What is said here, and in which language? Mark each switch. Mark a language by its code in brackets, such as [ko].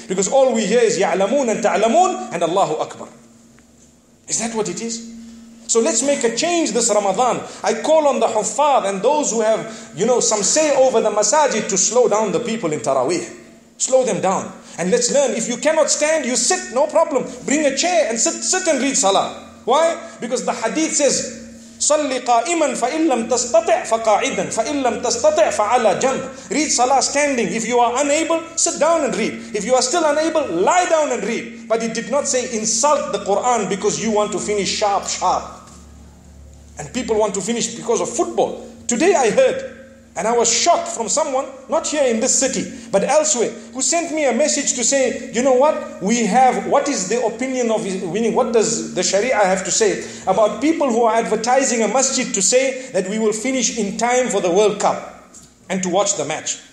[en] Because all we hear is ya'lamun and ta'lamun and Allahu Akbar. Is that what it is? So let's make a change this Ramadan. I call on the Huffaz and those who have, you know, some say over the masajid to slow down the people in Taraweeh. Slow them down. And let's learn. If you cannot stand, you sit, no problem. Bring a chair and sit and read salah. Why? [ar] Because the hadith says, صَلِّ قَائِمًا فَإِنْ لَمْ تَسْتَطِعْ فَقَاعِدًا فَإِنْ لَمْ تَسْتَطِعْ فَعَلَى جَنْبٍ. [en] Read salah standing. If you are unable, sit down and read. If you are still unable, lie down and read. But it did not say insult the Quran because you want to finish sharp, sharp. And people want to finish because of football. Today I heard, and I was shocked from someone, not here in this city, but elsewhere, who sent me a message to say, you know what, we have, what is the opinion of, meaning what does the Sharia have to say about people who are advertising a masjid to say that we will finish in time for the World Cup and to watch the match.